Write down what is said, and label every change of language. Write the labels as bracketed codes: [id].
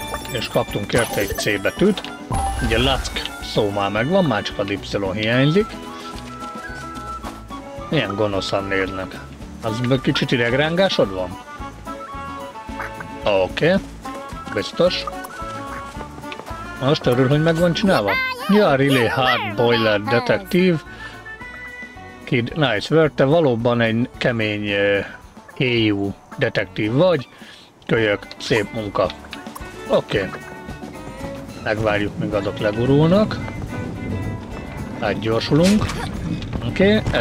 [hu] És kaptunk érte egy C betűt. Ugye Lack szó már megvan, már csak a Y hiányzik. Milyen gonoszan néznek. Az kicsit idegrángásod van? Oké. Okay. Biztos. Most örül, hogy meg van csinálva. [en] Ja, really hard boiled detective. Kid, nice work. [hu] Te valóban egy kemény EU detektív vagy. Kölyök, szép munka. Oké. Okay. Megvárjuk, míg azok legurulnak. Hát gyorsulunk. Oké, okay.